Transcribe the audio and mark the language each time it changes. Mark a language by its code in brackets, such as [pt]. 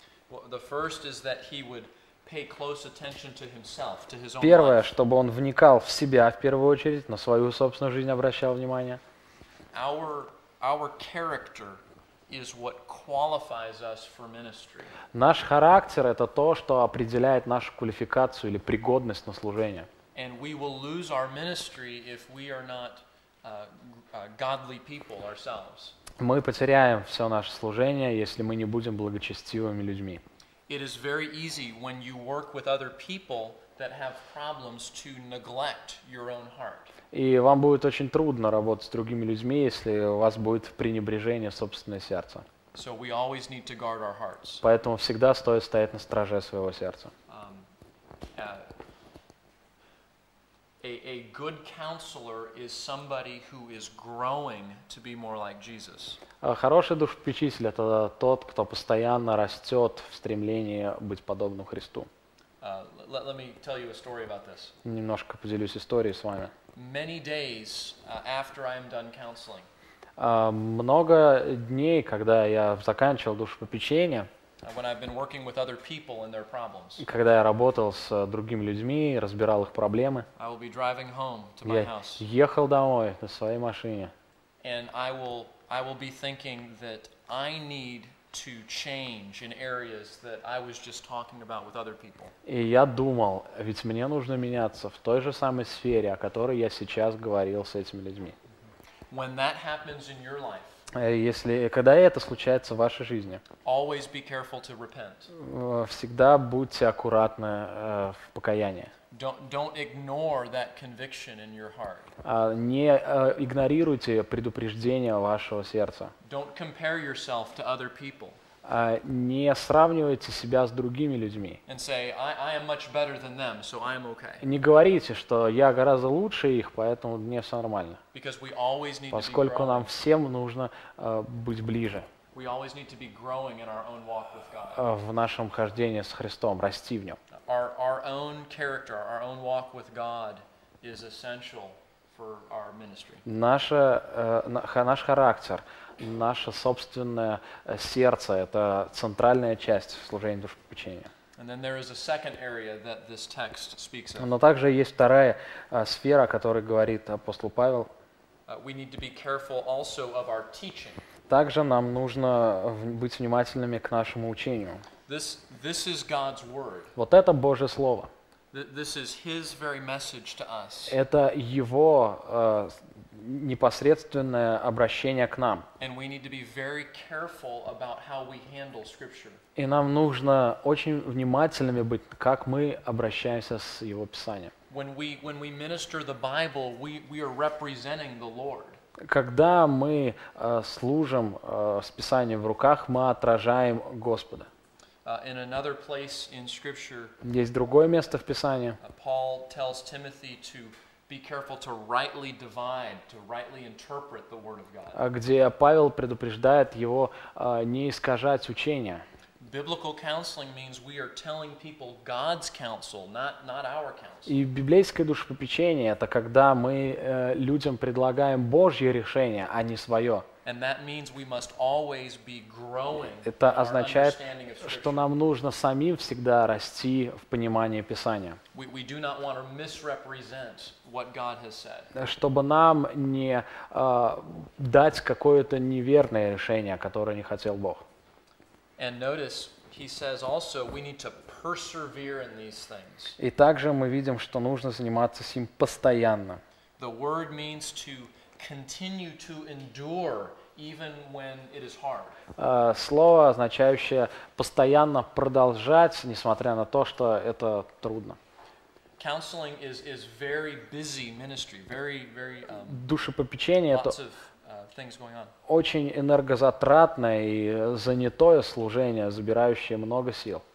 [en] Well, the first is that he would pay close attention to himself, to his own. [ru] Первое, чтобы он вникал в себя в первую очередь, на свою собственную жизнь обращал внимание. [en] Our character is what qualifies us for ministry. [ru] Наш характер — это то, что определяет нашу квалификацию или пригодность на служение. [en] And we will lose our ministry if we are not godly people ourselves. [ru] Мы потеряем все наше служение, если мы не будем благочестивыми людьми. [en] It is very easy when you work with other people that have problems to neglect your own heart. [ru] И вам будет очень трудно работать с другими людьми, если у вас будет пренебрежение собственное сердце. [en] So we always need to guard our hearts. [ru] Поэтому всегда стоит стоять на страже своего сердца. [en] A good counselor is somebody who is growing to be more like Jesus. [ru] Хороший душепопечитель — это тот, кто постоянно растет в стремлении быть подобным Христу. [en] Let me tell you a story about this. [ru] Немножко поделюсь историей с вами. [en] Many days after I am done counseling. [ru] Много дней, когда я заканчивал душепопечение. [en] when I've been working with other people and their problems. [ru] Когда я работал с другими людьми, разбирал их проблемы. [en] I will be driving home to my house. [ru] Я ехал домой на своей машине. [en] And I will be thinking that I need to change in areas that I was just talking about with other people. [ru] И я думал, ведь мне нужно меняться в той же самой сфере, о которой я сейчас говорил с этими людьми. [en] When that happens in your life. [ru] Если когда это случается в вашей жизни. [en] Always be careful to repent. [ru] Всегда будьте аккуратны в покаянии. [en] Don't ignore that conviction in your heart. [ru] Не игнорируйте предупреждение вашего сердца. [en] Don't compare yourself to other people. [ru] Не сравнивайте себя с другими людьми. [en] And say, I am much better than them, so I am okay. [ru] Не говорите, что я гораздо лучше их, поэтому мне все нормально. [en] Because we always need [ru] поскольку [en] to be [ru] нам всем нужно быть ближе. [en] We always need to be growing in our own walk with God. [ru] В нашем хождении с Христом, расти в нем. [en] Our own character, our own walk with God is essential for our ministry. [ru] Наш характер, наше собственное сердце – это центральная часть служения душепопечения. [en] And then there is a second area that this text speaks of. [ru] Но также есть вторая сфера, о которой говорит апостол Павел. [en] We need to be careful also of our teaching. [ru] Также нам нужно быть внимательными к нашему учению. [en] This is God's word. [ru] Вот это Божье слово. [en] This is His very message to us. [ru] Это Его непосредственное обращение к нам. [en] And we need to be very careful about how we handle Scripture. [ru] И нам нужно очень внимательными быть, как мы обращаемся с Его Писанием. [en] When we minister the Bible, we are representing the Lord. [ru] Когда мы служим с Писанием в руках, мы отражаем Господа. [en] In another place in Scripture, [ru] есть другое место в Писании. [en] Paul tells Timothy to be careful to rightly divide, to rightly interpret the Word of God. [ru] Где Павел предупреждает его не искажать учение. [en] Biblical counseling means we are telling people God's counsel, not our counsel. [ru] И библейское душепопечение – это когда мы людям предлагаем Божье решение, а не свое. [en] And that means we must always be growing. [ru] Это означает, что нам нужно самим всегда расти в понимании Писания. [en] We do not want to misrepresent what God has said. [ru] Чтобы нам не дать какое-то неверное решение, которое не хотел Бог. [en] And notice, he says also, we need to persevere in these things. [ru] И также мы видим, что нужно заниматься с ним постоянно. [en] The word means to continue to endure even when it is hard. [ru] Слово, означающее постоянно продолжать, несмотря на то, что это трудно. [en] Counseling is very busy ministry, very very [ru] душепопечение [en] lots [ru] это [en] of, things going on. [ru] Очень энергозатратное и занятое служение, забирающее много сил.